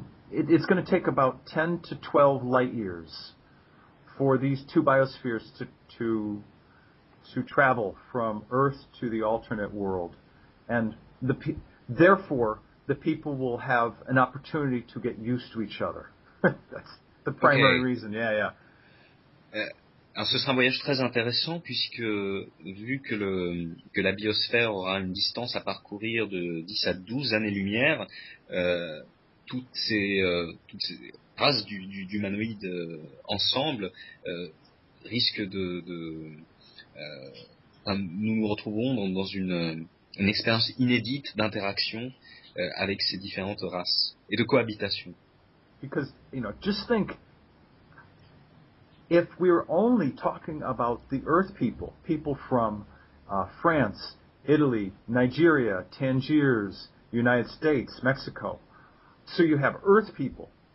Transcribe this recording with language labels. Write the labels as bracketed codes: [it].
[en] It's going to take about 10 to 12 light years for these two biospheres to travel from Earth to the alternate world, and therefore the people will have an opportunity to get used to each other. That's the primary reason. Yeah. [fr] Alors, ce sera un voyage très intéressant puisque vu que la biosphère aura une distance à parcourir de 10 à 12 années-lumière, toutes ces races d'humanoïdes ensemble risquent de nous retrouvons dans une expérience inédite d'interaction avec ces différentes races et de cohabitation. [en] Because, you know, just think, if we're only talking about the Earth people from France, Italy, Nigeria, Tangiers, United States, Mexico, so you have Earth people.